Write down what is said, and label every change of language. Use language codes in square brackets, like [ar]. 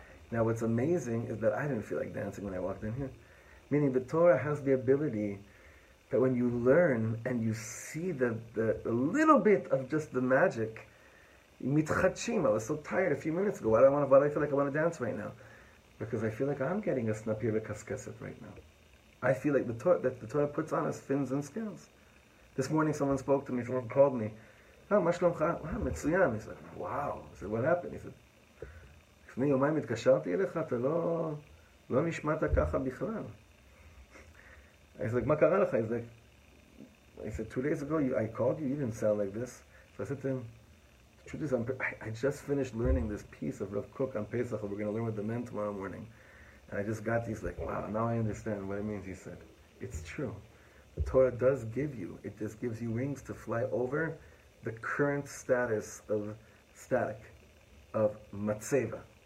[en] Now what's amazing is that I didn't feel like dancing when I walked in here. Meaning the Torah has the ability that when you learn and you see the little bit of just the magic, mitchachim, I was so tired a few minutes ago. Why do I feel like I want to dance right now? Because I feel like I'm getting a snapir kaskaset right now. I feel like the Torah puts on us fins and scales. This morning someone spoke to me, someone called me. Oh, [he] ma shlomcha? [en] Oh, metzuyan. He said, wow. I said, what happened? He said, [he] לפני יומיים התקשרתי אליך, אתה לא נשמעת ככה בכלל. He said, מה קרה לך? [en] He said, 2 days ago, I called you, you didn't sound like this. So I said to him, the truth is, I just finished learning this piece of Rav Kook on Pesach, we're going to learn with the men tomorrow morning. And I just got these, like, wow, now I understand what it means. He said, it's true. The Torah does give you, it just gives you wings to fly over the current status of static, of matzeva.